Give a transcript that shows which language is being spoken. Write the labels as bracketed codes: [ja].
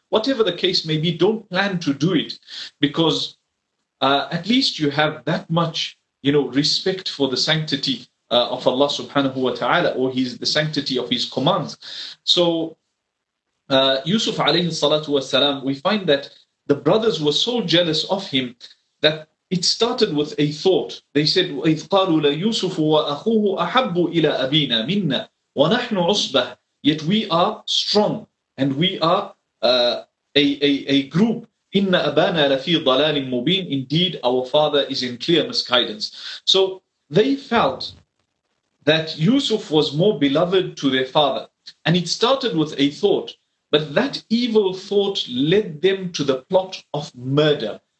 [en] Whatever the case may be, don't plan to do it, because at least you have that much, you know, respect for the sanctity of Allah subhanahu wa ta'ala, or the sanctity of his commands. So Yusuf alayhi salatu wa salam, we find that the brothers were so jealous of him that it started with a thought. They said, [ar] إِذْ قَالُوا لَيُوسُفُ وَأَخُوهُ أَحَبُّ إِلَىٰ أَبِينَا مِنَّا وَنَحْنُ عُصْبَةٌ. [en] Yet we are strong, and we are a group [ar] إِنَّ أَبَانَا لَفِي ضَلَالٍ مُبِينٍ. [en] Indeed, our father is in clear misguidance. So they felt that Yusuf was more beloved to their father. And it started with a thought, but that evil thought led them to the plot of murder.